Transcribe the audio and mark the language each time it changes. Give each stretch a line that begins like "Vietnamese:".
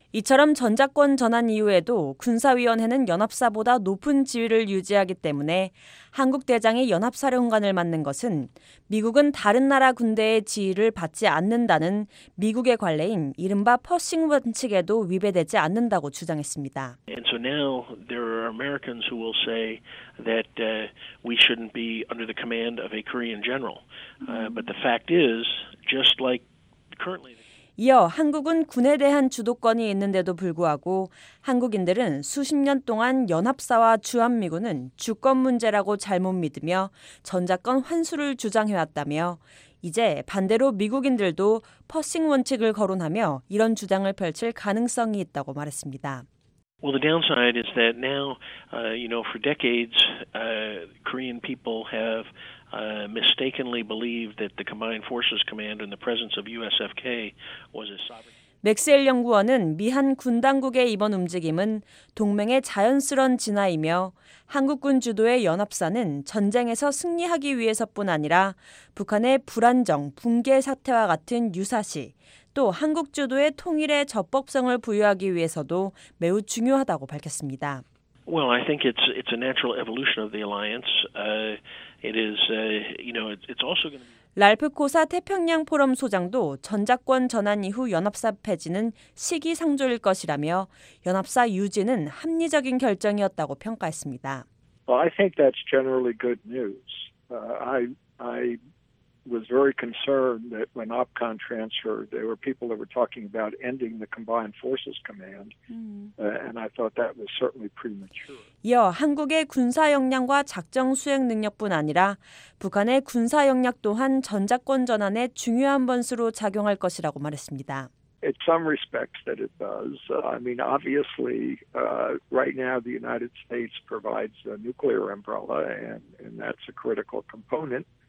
Korean: 이처럼 전작권 전환 이후에도 군사위원회는 연합사보다 높은 지위를 유지하기 때문에 한국 대장이 연합사령관을 맡는 것은 미국은 다른 나라 군대의 지위를 받지 않는다는 미국의 관례인 이른바 퍼싱 원칙에도 위배되지 않는다고 주장했습니다.
English: And so now there are Americans who will say that we shouldn't be under the command of a Korean general. But the fact is, just like currently.
Korean: 이어 한국은 군에 대한 주도권이 있는데도 불구하고 한국인들은 수십 년 동안 연합사와 주한미군은 주권 문제라고 잘못 믿으며 전작권 환수를 주장해왔다며 이제 반대로 미국인들도 퍼싱 원칙을 거론하며 이런 주장을 펼칠 가능성이 있다고 말했습니다.
English: Well, the downside is that now, you know, for decades, Korean people have mistakenly believed that the Combined Forces Command in the presence of USFK was a sovereign.
Korean: 맥스웰 연구원은 미한 군 당국의 이번 움직임은 동맹의 자연스러운 진화이며 한국군 주도의 연합사는 전쟁에서 승리하기 위해서뿐 아니라 북한의 불안정, 붕괴 사태와 같은 유사시, 또 한국 주도의 통일의 적법성을 부여하기 위해서도 매우 중요하다고 밝혔습니다.
English: Well, I think it's a natural evolution of the alliance. It is, you know, it's also going to be.
Korean: 랄프 코사 태평양 포럼 소장도 전작권 전환 이후 연합사 폐지는 시기상조일 것이라며 연합사 유지는 합리적인 결정이었다고 평가했습니다.
English: Well, I think that's generally good news. I was very concerned that when OPCON transferred, there were people that were talking about ending the Combined Forces Command, and I thought that was certainly premature.
Korean: 이어 한국의 군사 역량과 작정 수행 능력뿐 아니라 북한의 군사 역량 또한 전작권 전환의 중요한 변수로 작용할 것이라고 말했습니다.
English: In some respects, that it does. I mean, obviously, right now the United States provides a nuclear umbrella, and that's a critical component.